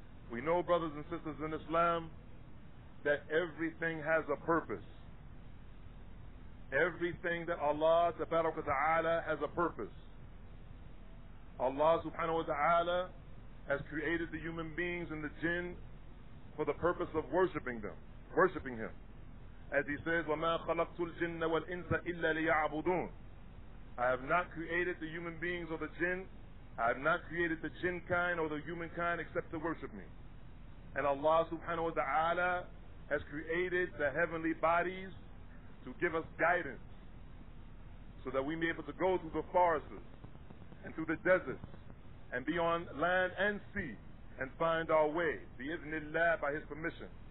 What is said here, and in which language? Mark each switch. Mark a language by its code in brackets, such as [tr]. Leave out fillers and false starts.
[en] We know, brothers and sisters in Islam, that everything has a purpose. Everything that Allah subhanahu wa ta'ala has a purpose. Allah subhanahu wa ta'ala has created the human beings and the jinn for the purpose of worshipping them, worshipping Him. As He says, [ar] وَمَا خَلَقْتُ الْجِنَّ وَالْإِنسَ إِلَّا لِيَعْبُدُونَ. [en] I have not created the human beings or the jinn. I have not created the jinn kind or the humankind except to worship Me. And Allah subhanahu wa ta'ala has created the heavenly bodies to give us guidance so that we may be able to go through the forests and through the deserts and be on land and sea and find our way bi-idhnillah, by His permission.